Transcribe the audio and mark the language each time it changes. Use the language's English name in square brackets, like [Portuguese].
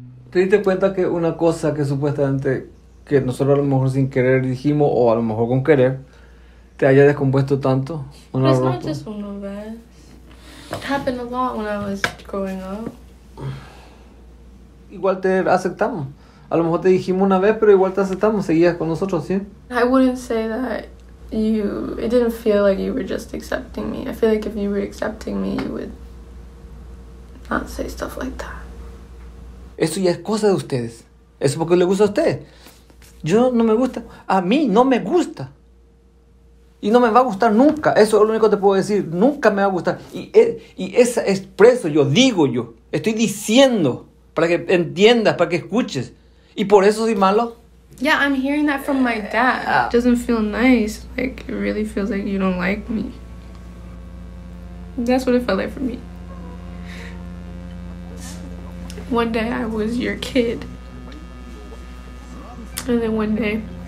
[Spanish] ¿Te diste cuenta que una cosa que supuestamente que nosotros a lo mejor sin querer dijimos o a lo mejor con querer te haya descompuesto tanto? [English] It's not just one of us. It happened a lot when I was growing up. [Spanish] Igual te aceptamos. A lo mejor te dijimos una vez, pero igual te aceptamos. Seguías con nosotros, ¿sí? [English] I wouldn't say that you... It didn't feel like you were just accepting me. I feel like if you were accepting me, you would not say stuff like that. [Spanish] Eso ya es cosa de ustedes. Eso porque le gusta a ustedes. Yo no me gusta. A mí no me gusta. Y no me va a gustar nunca. Eso es lo único que te puedo decir. Nunca me va a gustar. Y es expreso, yo digo yo. Estoy diciendo para que entiendas, para que escuches. Y por eso soy malo. [English] Yeah, I'm hearing that from my dad. It doesn't feel nice. Like, it really feels like you don't like me. That's what it felt like for me. One day I was your kid, and then one day,